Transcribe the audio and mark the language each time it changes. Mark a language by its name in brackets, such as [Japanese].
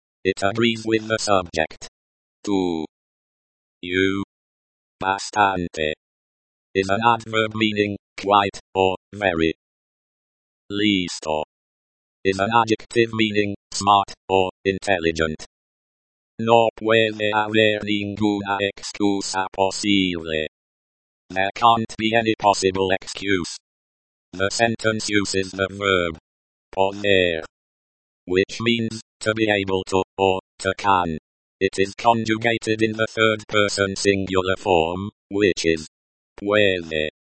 [English] It agrees with the subject. Tú. You. Bastante is an adverb meaning quite or very. Listo is an adjective meaning smart or intelligent. [Spanish] No puede haber ninguna excusa posible. [English] There can't be any possible excuse. The sentence uses the verb poner, which means to be able to or to can. It is conjugated in the third person singular form, which is puede.